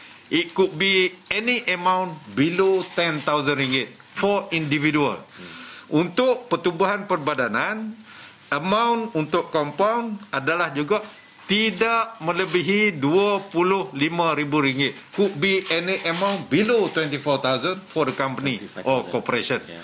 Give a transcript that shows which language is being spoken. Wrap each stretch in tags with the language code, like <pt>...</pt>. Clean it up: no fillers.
<en>It could be any amount below RM10,000 for individual.</en> <ms>Untuk pertubuhan perbadanan, amount untuk compound adalah juga tidak melebihi RM25,000.</ms> <en>Could be any amount below RM24,000 for the company or corporation.</en>